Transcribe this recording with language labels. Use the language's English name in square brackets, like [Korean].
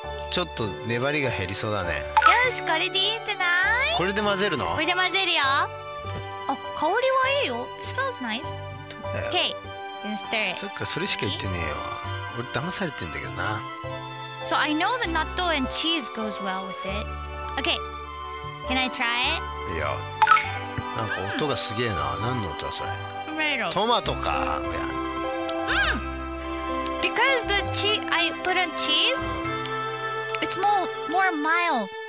[Japanese] ちょっと粘りが減りそうだね。よし、これでいいんじゃない？これで混ぜるの？これで混ぜるよ。あ、香りはいいよ。 [English] Smells nice。 Okay, then stir it。 [Japanese] そっか、それしか言ってねえよ。俺騙されてんだけどな。 [English] So I know the natto and cheese goes well with it. Okay, can I try it? [Japanese] いや、なんか音がすげえな。何の音だそれ？トマト。トマトか。 [English] Because the cheese I put on cheese, it's more mild.